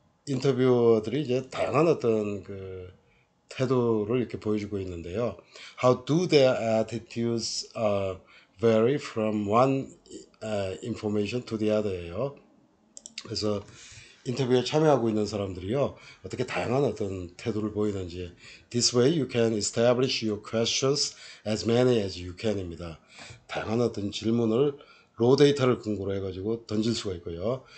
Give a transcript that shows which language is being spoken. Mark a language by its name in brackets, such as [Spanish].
[Korean] 인터뷰어들이 이제 다양한 어떤 태도를 이렇게 보여주고 있는데요. [English] How do their attitudes vary from one information to the other예요? [Korean] 그래서 인터뷰에 참여하고 있는 사람들이요, 어떻게 다양한 어떤 태도를 보이는지. [English] This way you can establish your questions as many as you can입니다. [Korean] 다양한 어떤 질문을 로 데이터를 근거로 해가지고 던질 수가 있고요.